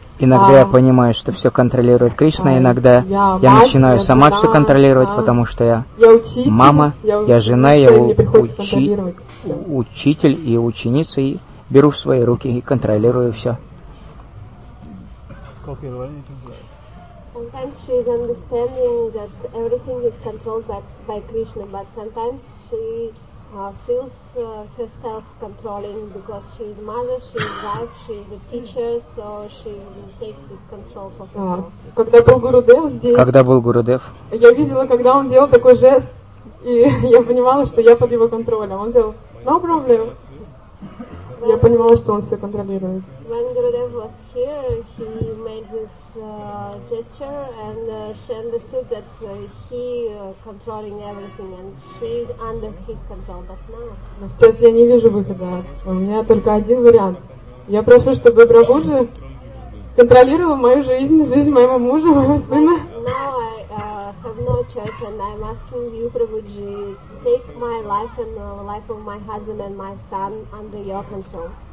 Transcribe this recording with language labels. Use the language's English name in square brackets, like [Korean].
[Russian] Иногда я понимаю, что все контролирует Кришна, иногда я начинаю сама все контролировать, потому что я учитель, мама, я жена, я учитель и ученица, и беру в свои руки и контролирую все. [English] Sometimes she is understanding that everything is controlled by Krishna, but sometimes she feels herself controlling because she is mother, she is wife, she is a teacher, so she takes this control of herself. [Russian] Когда был Гурудев здесь? Когда был Гурудев? Я видела, когда он делал такой жест, и я понимала, что я под его контролем. Он делал [English] no problem. [Russian] Я понимала, что он все контролирует. [English] When Gurudev was here, he made this gesture, and she understood that he controlling everything, and she is under his control. But now. [Russian] Сейчас я не вижу выхода. У меня только один вариант. Я прошу, чтобы Прабхуджи контролировал мою жизнь, жизнь моего мужа, моего сына. [English] Now I have no choice, and I'm asking you, Prabhuji, take my life and the life of my husband and my son under your control.